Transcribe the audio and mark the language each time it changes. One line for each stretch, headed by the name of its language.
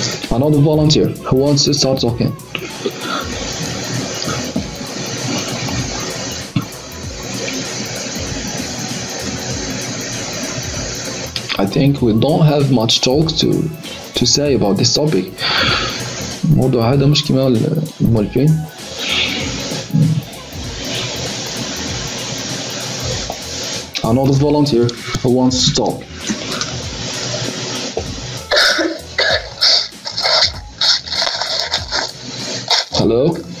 English: Another volunteer who wants to start talking. I think we don't have much talk to say about this topic.
Arabic: موضوع هذا مش كما الملفين.
English: Another volunteer who wants to talk. Hello?